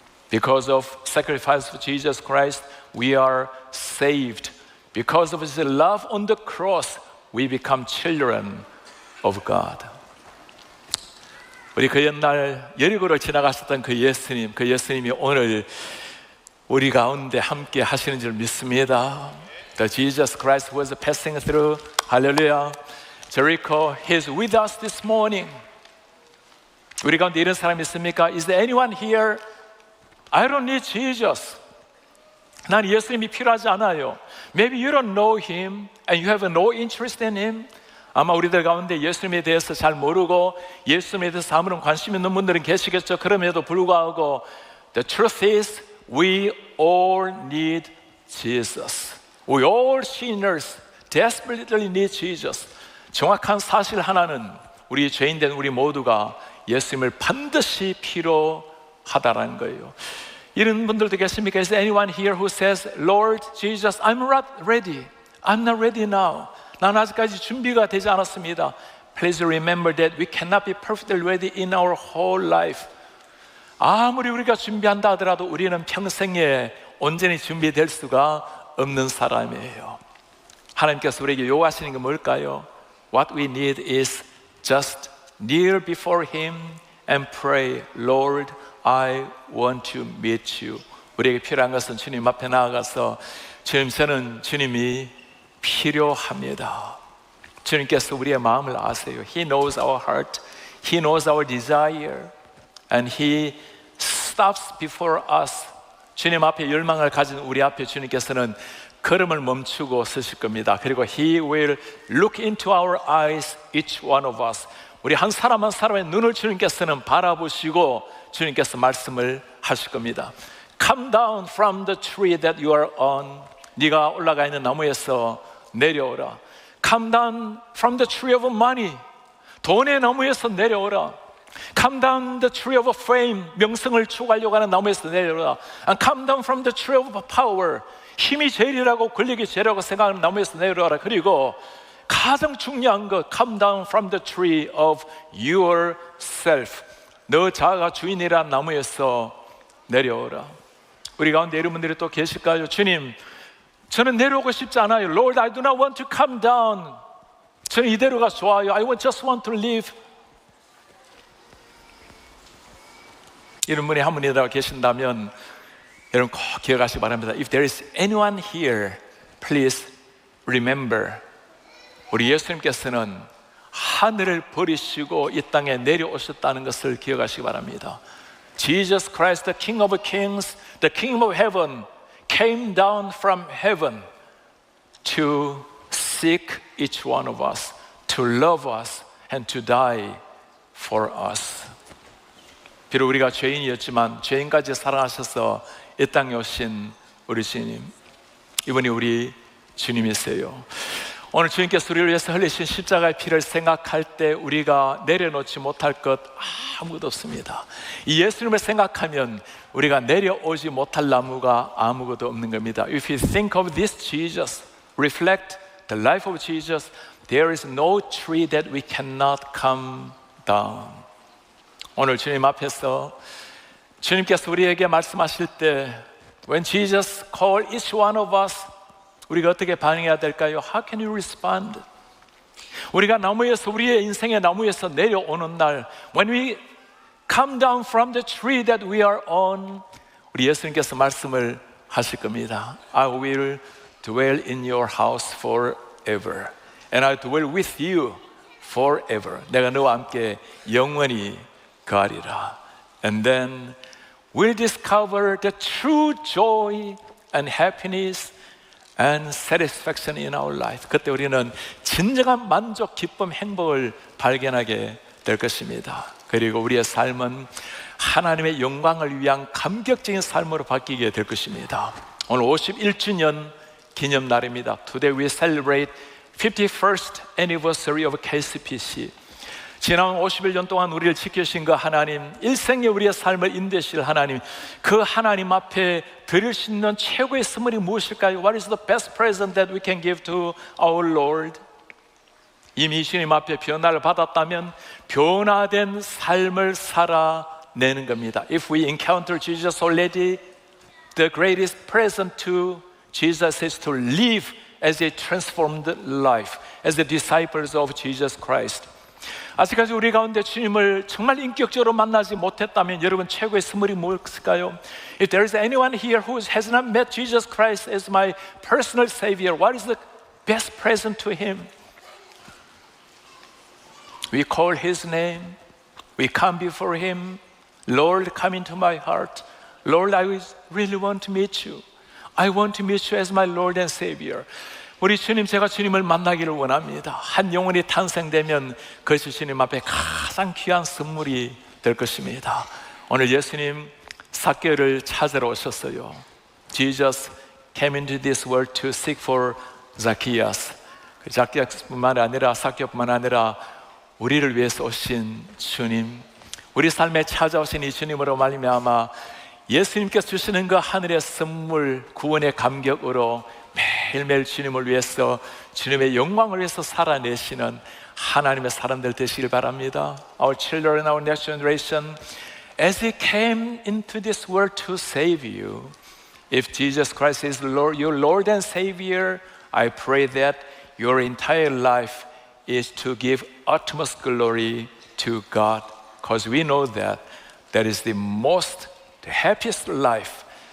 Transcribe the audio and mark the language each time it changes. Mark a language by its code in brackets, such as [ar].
[en] Because of sacrifice of Jesus Christ, we are saved. Because of his love on the cross, we become children of God. [ko] 우리 그 옛날 여리고를 지나가셨던 그 예수님이 오늘 우리 가운데 함께 하시는 줄 믿습니다. [en] The Jesus Christ was passing through. Hallelujah. Jericho, he's with us this morning. [ko] 우리 가운데 이런 사람 있습니까? [en] Is there anyone here? I don't need Jesus. [ko] 난 예수님이 필요하지 않아요. [en] Maybe you don't know him and you have no interest in him. [ko] 아마 우리들 가운데 예수님에 대해서 잘 모르고 예수님에 대해서 아무런 관심 있는 분들은 계시겠죠. 그럼에도 불구하고 [en] The truth is we all need Jesus. We all sinners desperately need Jesus. [ko] 정확한 사실 하나는 우리 죄인 된 우리 모두가 예수님을 반드시 필요하다라는 거예요. 이런 분들도 계십니까? [en] Is anyone here who says, Lord Jesus, I'm not ready. I'm not ready now. [ko] 나는 아직까지 준비가 되지 않았습니다. [en] Please remember that we cannot be perfectly ready in our whole life. [ko] 아무리 우리가 준비한다 하더라도 우리는 평생에 온전히 준비될 수가 없는 사람이에요. 하나님께서 우리에게 요구하시는 게 뭘까요? [en] What we need is just kneel before Him and pray, Lord, I want to meet you. [ko] 우리에게 필요한 것은 주님 앞에 나아가서 주님, 저는 주님이 필요합니다. 주님께서 우리의 마음을 아세요. [en] He knows our heart. He knows our desire. And He stops before us. [ko] 주님 앞에 열망을 가진 우리 앞에 주님께서는 걸음을 멈추고 서실 겁니다. 그리고 [en] He will look into our eyes, each one of us. [ko] 우리 한 사람 한 사람의 눈을 주님께서는 바라보시고 주님께서 말씀을 하실 겁니다. [en] Come down from the tree that you are on. [ko] 네가 올라가 있는 나무에서 내려오라. [en] Come down from the tree of money. [ko] 돈의 나무에서 내려오라. [en] Come down the tree of fame. [ko] 명성을 추구하려고 하는 나무에서 내려오라. [en] And come down from the tree of power. [ko] 힘이 제일이라고 권력이 제일이라고 생각하는 나무에서 내려오라. 그리고 가장 중요한 것, [en] Come down from the tree of yourself. [ko] 너 자아가 주인이란 나무에서 내려오라. 우리 가운데 이런 분들이 또 계실까요? 주님, 저는 내려오고 싶지 않아요. [en] Lord, I do not want to come down. [ko] 저는 이대로가 좋아요. [en] I just want to live. [ko] 이런 분이 한 분이라고 계신다면 여러분 꼭 기억하시기 바랍니다. [en] If there is anyone here, please remember. [ko] 우리 예수님께서는 하늘을 버리시고 이 땅에 내려오셨다는 것을 기억하시기 바랍니다. [en] Jesus Christ, the King of Kings, the King of Heaven, came down from heaven to seek each one of us, to love us, and to die for us. [ko] 비록 우리가 죄인이었지만 죄인까지 사랑하셔서 이 땅에 오신 우리 주님, 이분이 우리 주님이세요. 오늘 주님께서 우리를 위해서 흘리신 십자가의 피를 생각할 때 우리가 내려놓지 못할 것 아무것도 없습니다. 이 예수님을 생각하면 우리가 내려오지 못할 나무가 아무것도 없는 겁니다. [en] If you think of this Jesus, reflect the life of Jesus, there is no tree that we cannot come down. [ko] 오늘 주님 앞에서 주님께서 우리에게 말씀하실 때 [en] When Jesus called each one of us, [ko] 우리가 어떻게 반응해야 될까요? [en] How can you respond? [ko] 우리가 나무에서 우리의 인생의 나무에서 내려오는 날 [en] When we come down from the tree that we are on [ko] 우리 예수님께서 말씀을 하실 겁니다. [en] I will dwell in your house forever and I dwell with you forever. [ko] 내가 너와 함께 영원히 거하리라. [en] And then we'll discover the true joy and happiness and satisfaction in our life. [ko] 그때 우리는 진정한 만족, 기쁨, 행복을 발견하게 될 것입니다. 그리고 우리의 삶은 하나님의 영광을 위한 감격적인 삶으로 바뀌게 될 것입니다. 오늘 51주년 기념날입니다. [en] Today we celebrate 51st anniversary of KCPC. [ko] 지난 51년 동안 우리를 지켜주신 그 하나님, 일생에 우리의 삶을 인도하실 하나님, 그 하나님 앞에 드릴 수 있는 최고의 선물이 무엇일까요? [en] What is the best present that we can give to our Lord? [ko] 이미 주님 앞에 변화를 받았다면 변화된 삶을 살아내는 겁니다. [en] If we encounter Jesus already, the greatest present to Jesus is to live as a transformed life, as the disciples of Jesus Christ. [ko] 아직까지 우리 가운데 주님을 정말 인격적으로 만나지 못했다면 여러분 최고의 선물이 무엇일까요? [en] If there is anyone here who has not met Jesus Christ as my personal Savior, what is the best present to him? We call his name, we come before him, Lord, come into my heart, Lord, I really want to meet you, I want to meet you as my Lord and Savior. [ko] 우리 주님, 제가 주님을 만나기를 원합니다. 한 영혼이 탄생되면 그것이 주님 앞에 가장 귀한 선물이 될 것입니다. 오늘 예수님 삭개오를 찾으러 오셨어요. [en] Jesus came into this world to seek for Zacchaeus. [ko] 그 자기뿐만 아니라 삭개오뿐만 아니라 우리를 위해서 오신 주님, 우리 삶에 찾아오신 이 주님으로 말미암아 예수님께서 주시는 그 하늘의 선물, 구원의 감격으로 매일매일 주님을 위해서, 주님의 영광을 위해서 살아내시는 하나님의 사람들 되시길 바랍니다. [en] Our children, our next generation, as he came into this world to save you, if Jesus Christ is Lord, your Lord and Savior, I pray that your entire life is to give utmost glory to God, because we know that that is the most, the happiest life.